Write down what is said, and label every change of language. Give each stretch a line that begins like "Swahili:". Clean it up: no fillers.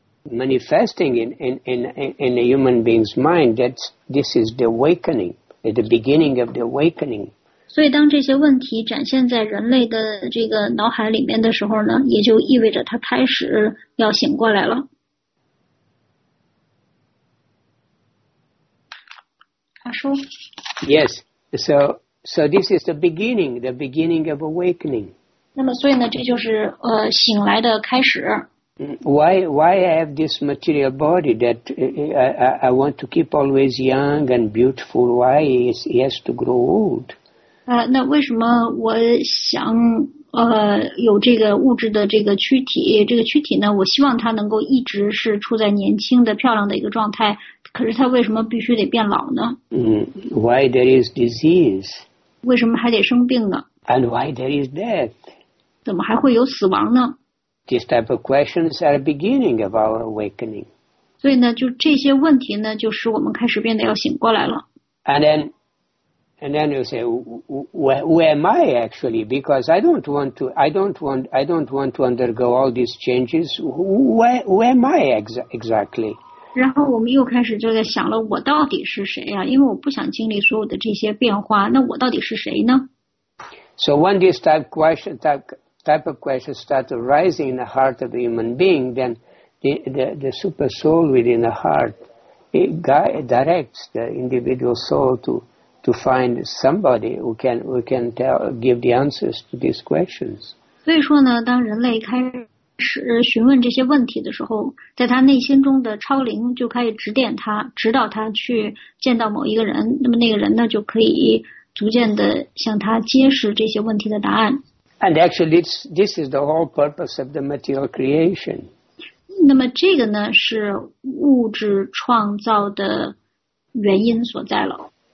English: Manifesting in a human being's mind, that this is the awakening, the beginning of the awakening.
Chinese: 所以当这些问题展现在人类的这个脑海里面的时候呢，也就意味着他开始要醒过来了。他说
English: ，Yes, so this is the beginning of awakening.
Chinese: 那么所以呢，这就是醒来的开始。
English: Why I have this material body that I want to keep always young and beautiful? Why is he has to grow old?
Chinese: 那为什么我想有这个物质的这个躯体？这个躯体呢，我希望它能够一直是处在年轻的、漂亮的一个状态。可是它为什么必须得变老呢？
English: Why there is disease?
Chinese: 为什么还得生病呢
English: ？And why there is death?
Chinese: 怎么还会有死亡呢？
English: This type of questions are the beginning of our awakening.
Chinese: 所以呢，就这些问题呢，就使我们开始变得要醒过来了。
English: And then you say, where am I actually? Because I don't want to undergo all these changes. Where am I exactly?
Chinese: 然后我们又开始就在想了，我到底是谁呀？因为我不想经历所有的这些变化，那我到底是谁呢
English: ？So when this type of question type of questions start arising in the heart of a human being, then the super soul within the heart directs the individual soul to find somebody who can tell give the answers to these questions.
Chinese: 所以说呢，当人类开始询问这些问题的时候，在他内心中的超灵就可以指点他，指导他去见到某一个人。那么那个人呢，就可以逐渐的向他揭示这些问题的答案。
English: And actually, this is the whole purpose of the material creation.
Chinese: 那么这个呢是物质创造的原因所在了。